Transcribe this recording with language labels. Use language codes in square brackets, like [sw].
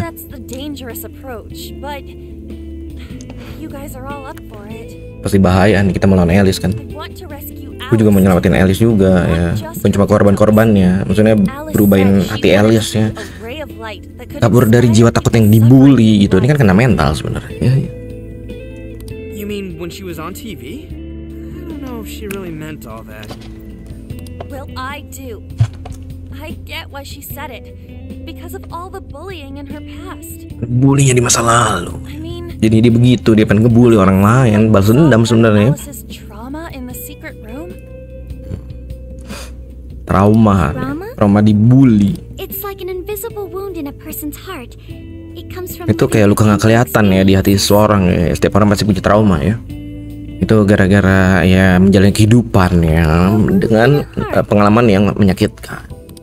[en] That's the dangerous approach, but you guys are all up for it. [id] Pasti bahaya nih kita melawan Alice kan. Aku juga mau nyelamatin Alice juga ya. Bukan cuma korban-korbannya, maksudnya berubahin hati Alice ya. Kabur dari jiwa takut yang dibully gitu. Ini kan kena mental sebenarnya. [en] You mean when she was on TV? I don't know if she really meant all that. Well, I do. I get why she said it. Because of all the bullying in her past. [id] Bullying di masa lalu. Jadi dia begitu, dia pengen ngebully orang lain, balas dendam sebenarnya. [en] Trauma in the secret room. [id] Trauma. Trauma dibully. [en] It's like an invisible wound in a person's heart. It comes from. [id] Itu kayak luka nggak kelihatan ya di hati seorang ya. Setiap orang pasti punya trauma ya. Itu gara-gara ya menjalani kehidupan ya dengan pengalaman yang menyakitkan.